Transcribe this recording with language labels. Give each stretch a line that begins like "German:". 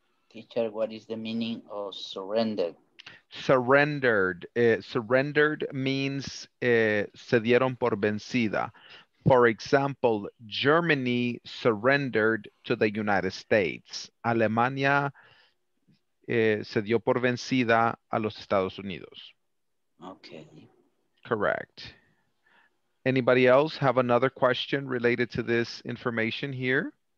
English: Teacher, what is the meaning of surrendered? Surrendered. Surrendered means
Spanish: se dieron por vencida.
English: For example, Germany surrendered to the United States.
Spanish: Alemania se dio por vencida a los Estados Unidos.
English: Okay. Correct. Anybody else have another question related to this information here?